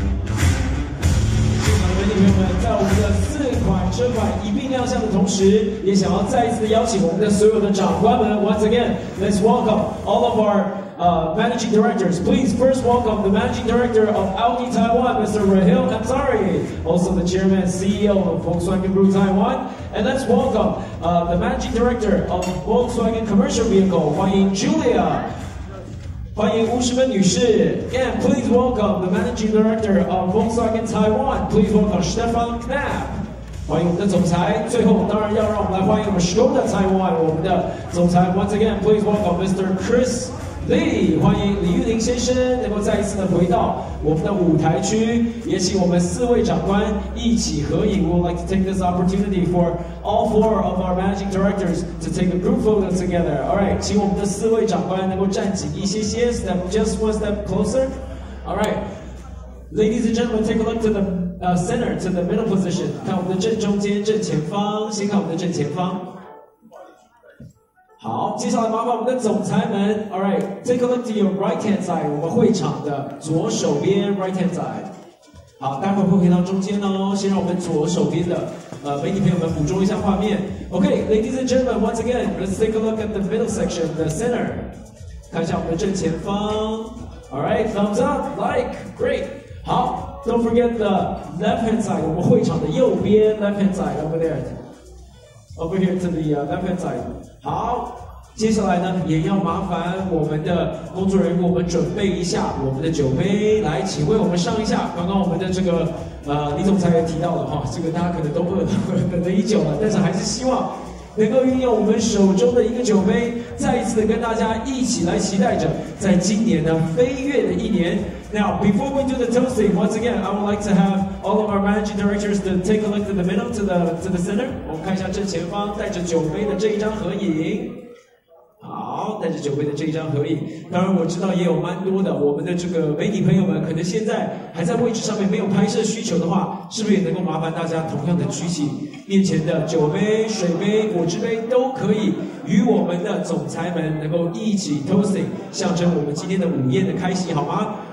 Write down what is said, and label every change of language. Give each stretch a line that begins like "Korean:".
Chinese: 朋友们，在我们的四款车款一并亮相的同时，也想要再一次邀请我们的所有的长官们。
English: Once again, let's welcome all of our managing directors. Please first welcome the managing director of Audi Taiwan, Mr. Rahil Kansari. Also the chairman and CEO of Volkswagen Group Taiwan. And let's welcome the managing director of Volkswagen Commercial Vehicle,
Chinese: 欢迎
English: Julia.
Chinese: 欢迎吴世芬女士。
English: And please welcome the managing director of Volkswagen Taiwan. Please welcome Stefan Knapp.
Chinese: 欢迎我们的总裁。最后，当然要让我们来欢迎我们 Škoda Taiwan 我们的总裁。
English: Once again, please welcome Mr. Chris Lee.
Chinese: 欢迎李玉林先生能够再一次的回到我们的舞台区，也请我们四位长官一起合影。
English: We'd like to take this opportunity for all four of our managing directors to take a group photo together. Alright,
Chinese: 请我们的四位长官能够站紧一些些
English: step, just one step closer. Alright, ladies and gentlemen, take a look to the center, to the middle position.
Chinese: 看我们的正中间，正前方，先看我们的正前方。好，接下来麻烦我们的总裁们
English: ，Alright, take a look to your right hand side,
Chinese: 我们会场的左手边
English: ，right hand side。
Chinese: 好，待会儿会回到中间哦，先让我们左手边的媒体朋友们捕捉一下画面。
English: Okay, ladies and gentlemen, once again, let's take a look at the middle section, the center。
Chinese: 看一下我们的正前方 ，
English: Alright, thumbs up, like, great。好 ，don't forget the left hand side,
Chinese: 我们会场的右边
English: ，left hand side over there, over here to the left hand side。
Chinese: 好，接下来呢，也要麻烦我们的工作人员，我们准备一下我们的酒杯，来，请为我们上一下。刚刚我们的这个李总裁也提到了哈，这个大家可能都饿了，等了已久了，但是还是希望能够运用我们手中的一个酒杯，再一次的跟大家一起来期待着，在今年的飞跃的一年。
English: Now, before we do the toasting, once again, I would like to have all of our managing directors to take a look to the middle, to the center.
Chinese: 我们看一下正前方带着酒杯的这一张合影。好，带着酒杯的这一张合影。当然，我知道也有蛮多的我们的这个媒体朋友们，可能现在还在位置上面没有拍摄需求的话，是不是也能够麻烦大家同样的举起面前的酒杯、水杯、果汁杯都可以，与我们的总裁们能够一起 toasting, 象征我们今天的午宴的开心，好吗？